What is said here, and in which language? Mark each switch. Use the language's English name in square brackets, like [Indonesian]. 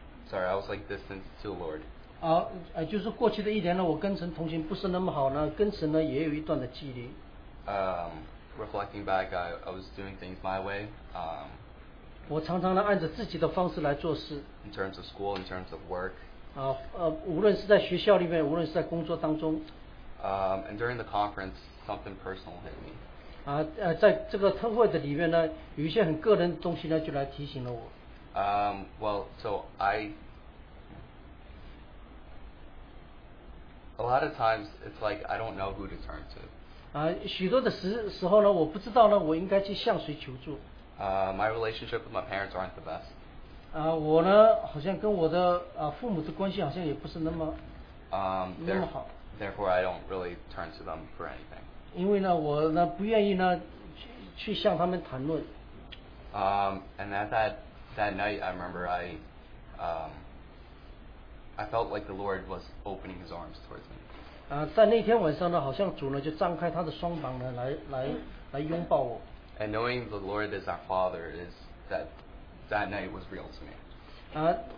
[English] Sorry, I was like distant to the Lord. [Chinese] 就是过去的一年呢，我跟神同行不是那么好呢，跟神呢也有一段的距离。 [English] Reflecting back, I was doing things my way. [Chinese] 我常常呢按着自己的方式来做事。 [English] In terms of school, in terms of work. [Chinese] 无论是在学校里面，无论是在工作当中。 [English] And during the conference, something personal hit me. [Chinese] 在这个特会的里面呢，有一些很个人的东西呢，就来提醒了我。 [English] Well, so I, a lot of times it's like I don't know who to turn to. [Chinese] 许多的时候呢，我不知道呢，我应该去向谁求助。 [English] My relationship with my parents aren't the best. [Chinese] 我呢，好像跟我的父母的关系好像也不是那么那么好。 [English] Therefore, I don't really turn to them for anything. [Chinese] 因为呢，我呢不愿意呢去向他们谈论。 [English] And at that night, I remember I felt like the Lord was opening His arms towards me. [Chinese] 在那天晚上呢，好像主呢就张开他的双膀呢，来拥抱我。 [English] And knowing the Lord is our Father is that night was real to me.